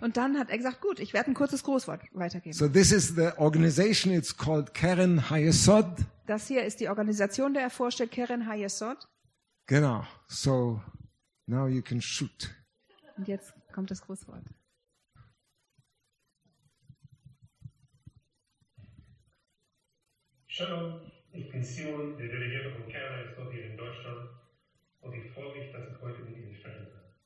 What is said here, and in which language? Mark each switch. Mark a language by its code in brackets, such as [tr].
[de] Und dann hat er gesagt, gut, ich werde ein kurzes Grußwort weitergeben. [en] So this is the organization, it's called Keren Hayesod. [de] Das hier ist die Organisation, der er vorstellt, Keren Hayesod. [en] Genau. So now you can shoot. [de] Und jetzt kommt das Grußwort. Shalom, ich bin Simon, der Delegierte von Keren Hayesod hier in Deutschland, und ich freue mich, dass ich heute mit Ihnen sprechen kann.